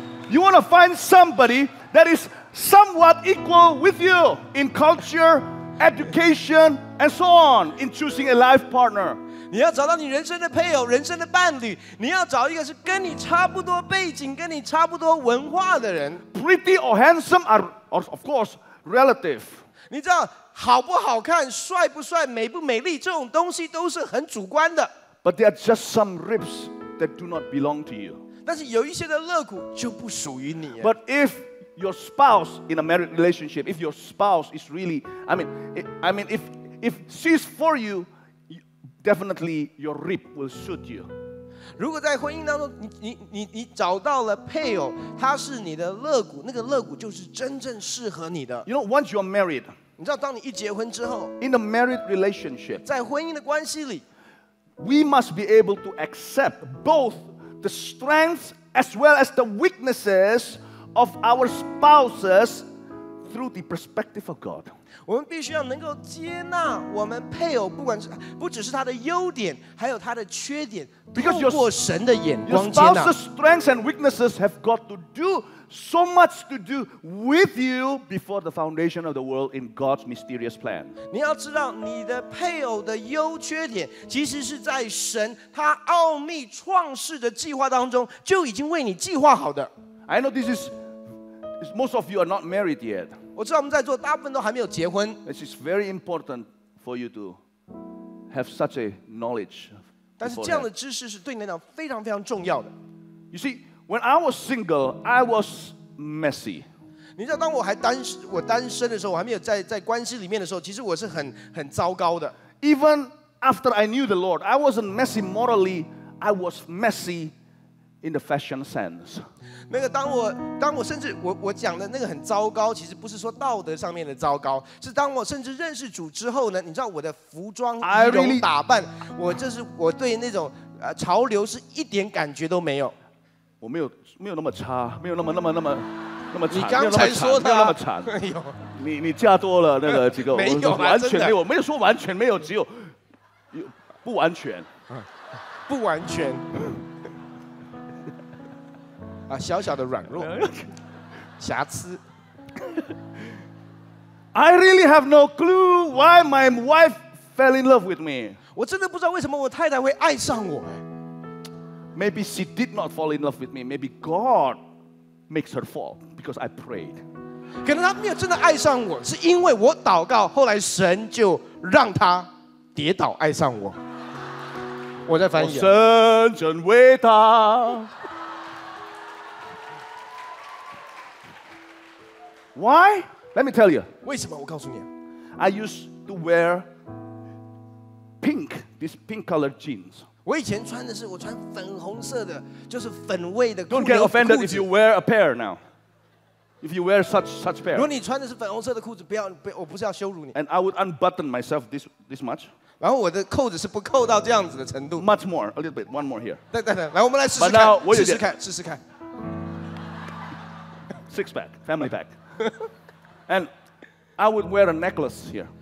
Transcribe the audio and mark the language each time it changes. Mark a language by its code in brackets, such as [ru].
[en] You want to find somebody that is somewhat equal with you in culture, education, and so on in choosing a life partner. [zh] 你要找到你人生的配偶，人生的伴侣。你要找一个是跟你差不多背景，跟你差不多文化的人。 [en] Pretty or handsome are, of course, relative. [zh] 你知道好不好看，帅不帅，美不美丽，这种东西都是很主观的。 [en] But there are just some ribs that do not belong to you. [zh] 但是有一些的肋骨就不属于你。 [en] But if your spouse in a married relationship, if your spouse is really, I mean, if she's for you, definitely your rib will suit you. [zh] 如果在婚姻当中，你找到了配偶，他是你的肋骨，那个肋骨就是真正适合你的。 [en] You know, once you're married, [zh] 你知道当你一结婚之后 [en] ，in a married relationship, [zh] 在婚姻的关系里 [en] ，we must be able to accept both. The strengths as well as the weaknesses of our spouses through the perspective of God. [zh] 我们必须要能够接纳我们配偶，不管是不只是他的优点，还有他的缺点，透过神的眼光接纳。 [en] Your spouse's strengths and weaknesses have got to do so much to do with you before the foundation of the world in God's mysterious plan. [zh] 你要知道，你的配偶的优缺点，其实是在神他奥秘创世的计划当中就已经为你计划好的。 [en] I know this is most of you are not married yet. [zh] 我知道我们在座大部分都还没有结婚。 [en] This is very important for you to have such a knowledge. [zh] 但是这样的知识是对你来讲非常非常重要的。 [en] You see, when I was single, I was messy. [zh] 你知道当我单身的时候，我还没有在关系里面的时候，其实我是很糟糕的。 [en] Even after I knew the Lord, I wasn't messy morally. I was messy in the fashion sense. [zh] 那个当我甚至我讲的那个很糟糕，其实不是说道德上面的糟糕，是当我甚至认识主之后呢，你知道我的服装仪容打扮，我这是我对那种潮流是一点感觉都没有。我没有那么差，没有那么惨。你刚才说的没有那么惨，没有。你嫁多了那个几个，没有，完全没有，没有说完全没有，只有不完全，不完全。啊，小小的软弱，瑕疵。 [en] I really have no clue why my wife fell in love with me. [zh] 我真的不知道为什么我太太会爱上我。 [en] Maybe she did not fall in love with me. Maybe God makes her fall because I prayed. [zh] 可能她没有真的爱上我，是因为我祷告，后来神就让她跌倒爱上我。我在翻译。神真伟大。 [en] Why? Let me tell you. [zh] 为什么？我告诉你。 [en] I used to wear pink, this pink color jeans. [zh] 我以前穿的是我穿粉红色的，就是粉味的裤子。 [en] Don't get offended if you wear a pair now. If you wear such pair. [zh] 如果你穿的是粉红色的裤子，我不是要羞辱你。 [en] And I would unbutton myself this much. [zh] 然后我的扣子是不扣到这样子的程度。 [en] Much more, a little bit, one more here. [zh] 等，来，我们来试试看。 [en] But now, [zh] 试试看，试试看。 [en] Six pack, family pack. And I would wear a necklace here.